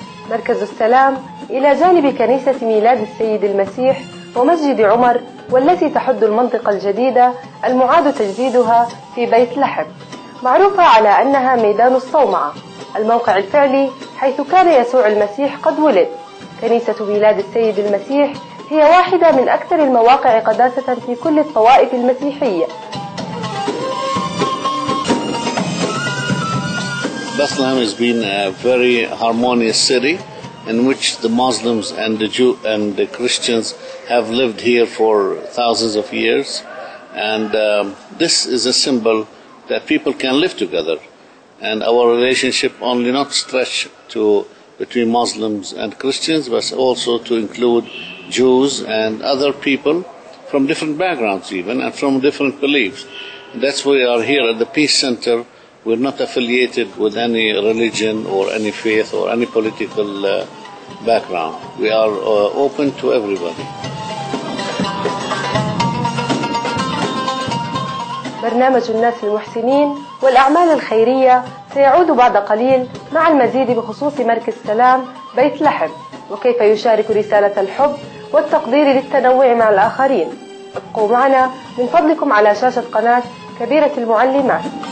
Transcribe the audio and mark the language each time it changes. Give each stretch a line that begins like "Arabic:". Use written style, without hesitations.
Arabic: مركز السلام إلى جانب كنيسة ميلاد السيد المسيح ومسجد عمر والتي تحد المنطقة الجديدة المعاد تجديدها في بيت لحم، معروفة على أنها ميدان الصومعة، الموقع الفعلي حيث كان يسوع المسيح قد ولد. كنيسة ميلاد السيد المسيح هي واحدة من أكثر المواقع قداسة في كل الطوائف المسيحية.
English: Bethlehem has been a very harmonious city in which the Muslims and the Jew and the Christians have lived here for thousands of years. And this is a symbol that people can live together. And our relationship only not stretch to between Muslims and Christians, but also to include Jews and other people from different backgrounds even and from different beliefs. That's why we are here at the Peace Center. We're not affiliated with any religion or any faith or any political background. We are open to everybody.
Arabic: برنامج الناس المحسنين والأعمال الخيرية سيعود بعد قليل مع المزيد بخصوص مركز سلام بيت لحم وكيف يشارك رسالة الحب والتقدير للتنوع مع الآخرين. ابقوا معنا من فضلكم على شاشة قناة كبيرة المعلمات.